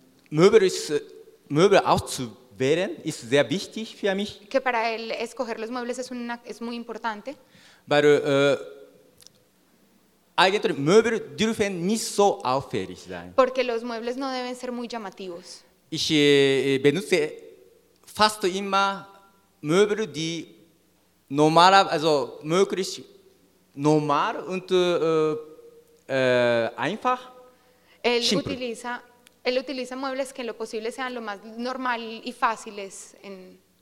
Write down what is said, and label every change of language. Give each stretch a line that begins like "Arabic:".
German: Möbel auszuwählen ist sehr wichtig für mich.
Spanish: Que para él escoger los muebles es muy importante.
German: Weil eigentlich Möbel dürfen nicht so auffällig sein.
Spanish: Porque los muebles no deben ser muy llamativos.
German: Ich benutze fast immer Möbel, die normal, also möglichst normal und einfach.
Spanish: Él utiliza muebles que en lo posible sean lo más normal y fáciles en.